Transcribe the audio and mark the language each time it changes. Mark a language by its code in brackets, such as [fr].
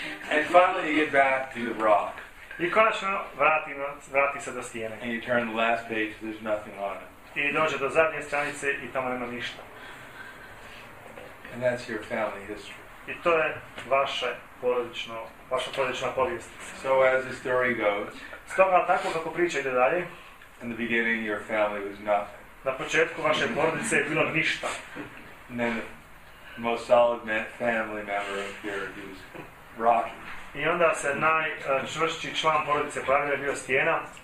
[en] And finally you get back to the rock. [bs] I konačno vrati se do stijene. [en] And you turn the last page, there's nothing on it. [bs] I dođe do zadnje stranice i tamo nema ništa. [en] And that's your family history. [bs] I to je vaša porodična povijest. [en] So as the story goes, [bs] stoga tako kako priča ide dalje, [en] in the beginning your family was nothing. [bs] Na početku vaše porodice je bilo ništa. [en] And then the most solid family member appeared, he was rocky. [bs] I onda se najčvršći član porodice pravilio je bio stijena.